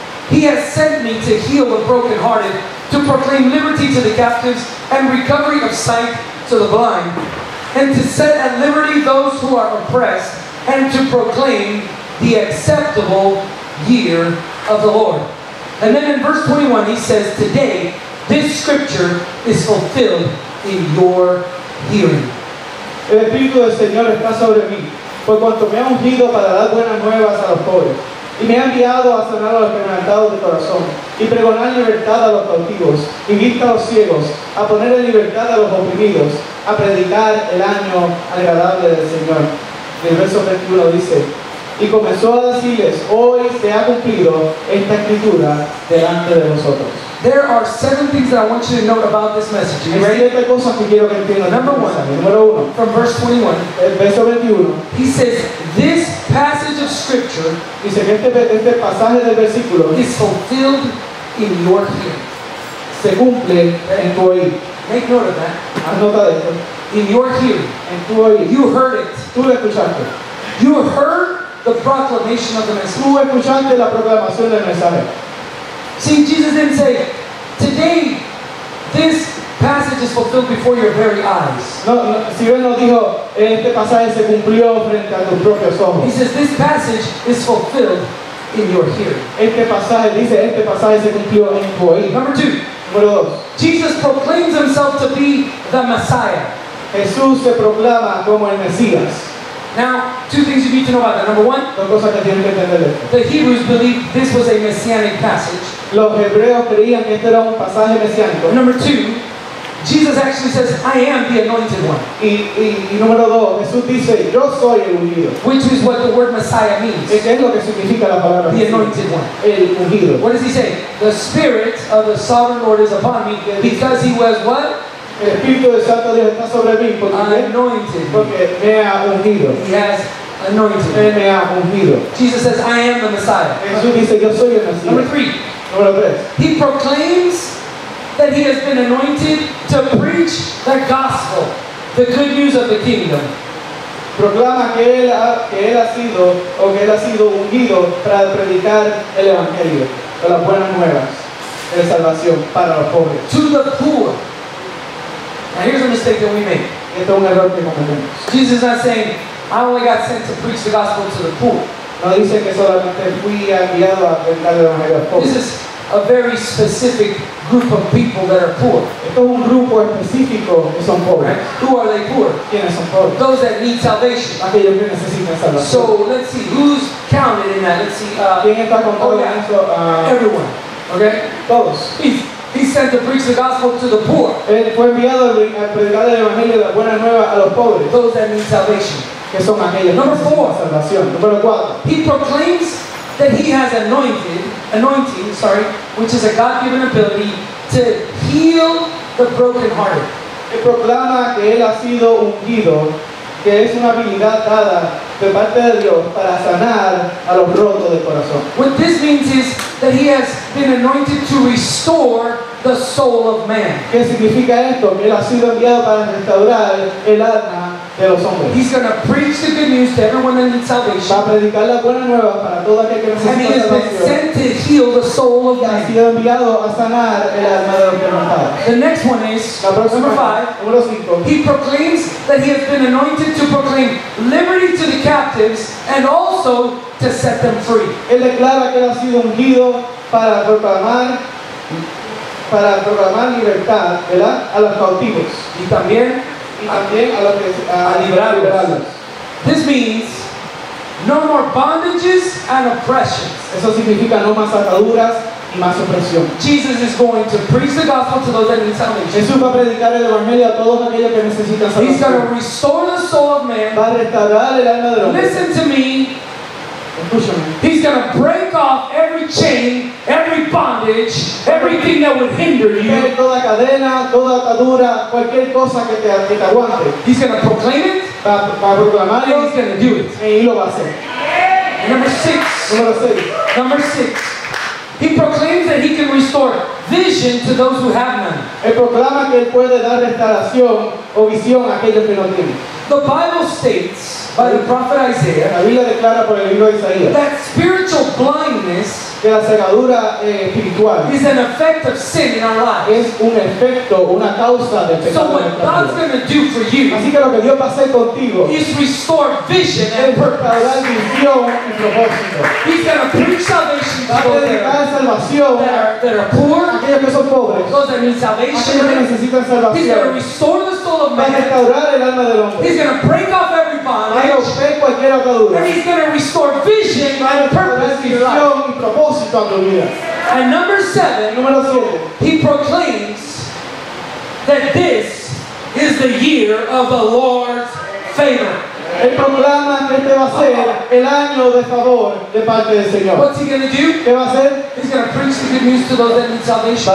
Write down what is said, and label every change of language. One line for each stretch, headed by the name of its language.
English: He has sent me to heal the brokenhearted, to proclaim liberty to the captives and recovery of sight to the blind, and to set at liberty those who are oppressed, and to proclaim the acceptable year of the Lord. And then in verse 21 he says, today this scripture is fulfilled in your hearing.
Spanish: El Espíritu del Señor está sobre mí, por cuanto me ha ungido para dar buenas nuevas a los pobres, y me ha enviado a sanar a los quebrantados de corazón, y pregonar libertad a los cautivos, y vista a los ciegos, a poner en libertad a los oprimidos, a predicar el año agradable del Señor. Y el verso 21 dice, y comenzó a decirles, hoy se ha cumplido esta escritura delante de vosotros.
English: There are seven things that I want you to note about this message. Are you ready? Number one, from verse 21,
Spanish: el verso 21,
English: he says, this passage of scripture
Spanish: dice que este pasaje del versículo
English: is fulfilled in your hearing.
Spanish: Se cumple en tu oído.
English: Make note of that.
Spanish: Anota de esto.
English: In your hearing.
Spanish: En tu oído.
English: You heard it.
Spanish: Tú lo escuchaste.
English: You heard the proclamation of the message.
Spanish: Tú escuchaste la proclamación del mensaje.
English: See, Jesus didn't say, today, this passage is fulfilled before your very eyes. He says, this passage is fulfilled in your hearing. Number two.
Spanish: Número dos.
English: Jesus proclaims himself to be the Messiah.
Spanish: Jesús se proclama como el Mesías.
English: Now, two things you need to know about that. Number one,
Spanish: dos cosas que tienen que entender esto.
English: The Hebrews believed this was a messianic passage.
Spanish: Los hebreos creían que este era un pasaje mesiánico.
English: Number two, Jesus actually says, I am the anointed one.
Spanish: Y número dos, Jesús dice, yo soy el ungido.
English: Which is what the word Messiah means.
Spanish: Es lo que significa la palabra
English: the anointed one.
Spanish: El ungido.
English: What does he say? The Spirit of the Sovereign Lord is upon me because he was what?
Spanish: El Espíritu de Santo Dios está sobre mí porque, me ha ungido.
English: He has anointed
Spanish: me. Ha ungido.
English: Jesus says, I am the Messiah.
Spanish: Jesús dice, yo soy el Mesías.
English: Number three.
Spanish: Número tres.
English: He proclaims that he has been anointed to preach the gospel, the good news of the kingdom.
Spanish: Proclama que él ha sido ungido para predicar el evangelio, para las buenas nuevas, la salvación para los pobres.
English: To the poor. Now here's a mistake that we make.
Spanish: Esto es un error que cometemos.
English: Jesus is not saying, I only got sent to preach the gospel to the poor.
Spanish: No dice que solamente fui enviado a predicar el evangelio a los pobres.
English: This is a very specific group of people that are poor.
Spanish: Esto es un grupo específico que son pobres.
English: Right? Who are they poor?
Spanish: ¿Quiénes son pobres?
English: Those that need salvation.
Spanish: Aquellos que necesitan salvación.
English: So let's see who's counted in that. Let's see.
Spanish: ¿Quién está contado en eso?
English: Everyone. Okay.
Spanish: Todos.
English: He's sent to preach the gospel to the poor.
Spanish: Él fue enviado a predicar el evangelio de la buena nueva a los pobres.
English: Those that need salvation.
Spanish: Que son aquellos.
English: Number
Spanish: que
English: four.
Spanish: Salvación. Número cuatro.
English: He proclaims that he has anointing, which is a God-given ability to heal the brokenhearted.
Spanish: Él proclama que él ha sido ungido, que es una habilidad dada de parte de Dios para sanar a los rotos de corazón.
English: What this means is that he has been anointed to restore the soul of man.
Spanish: ¿Qué significa esto? Que él ha sido enviado para restaurar el alma.
English: He's going to preach the good news to everyone that needs salvation.
Spanish: Va a predicar la buena nueva para toda aquel que necesita salvación.
English: And he has been sent to heal the soul of man.
Spanish: Ha sido enviado a sanar el alma de los quebrantados.
English: The next one is number five.
Spanish: Número cinco.
English: He proclaims that he has been anointed to proclaim liberty to the captives and also to set them free.
Spanish: Él declara que él ha sido ungido para proclamar libertad, ¿verdad? A los cautivos. Y también.
English: This means no more bondages and oppressions.
Spanish: Eso significa no más ataduras y más opresión.
English: Jesus is going to preach the gospel to those that need salvation.
Spanish: Jesús va a predicar el evangelio a todos aquellos que necesitan salvación.
English: He's going to restore the soul of man.
Spanish: Va a restaurar el alma del hombre.
English: Listen to me. He's going to break off every chain, every bondage, everything that would hinder you.
Spanish: Toda cadena, toda atadura, cualquier cosa que te aguante.
English: He's going to proclaim it.
Spanish: Va a proclamarlo.
English: He's going to do it.
Spanish: Y lo va a hacer.
English: Number six. He proclaims that he can restore vision to those who have none.
Spanish: Él proclama que él puede dar restauración o visión a aquellos que no tienen.
English: The Bible states by the prophet Isaiah,
Spanish: la Biblia declara por el libro de Isaías,
English: that spiritual blindness,
Spanish: que la cegadura espiritual,
English: is an effect of sin in our lives.
Spanish: Es un efecto, una causa de pecado.
English: So what God's going to do for you,
Spanish: así que lo que Dios va a hacer contigo,
English: is restore vision and purpose.
Spanish: Es restaurar visión y propósito.
English: He's going to preach salvation to those that are poor,
Spanish: aquellos que son pobres,
English: those that need salvation,
Spanish: aquellos que necesitan salvación.
English: He's going to restore the soul of man.
Spanish: Va a restaurar el alma del hombre.
English: He's going to break off every
Spanish: cualquier atadura.
English: And he's going to restore vision and purpose in your life. And number seven,
Spanish: número siete,
English: he proclaims that this is the year of the Lord's favor.
Spanish: Él proclama que este va a ser el año de favor de parte del Señor.
English: What's he going to do?
Spanish: ¿Qué va a hacer?
English: He's going to preach the good news to those that need salvation.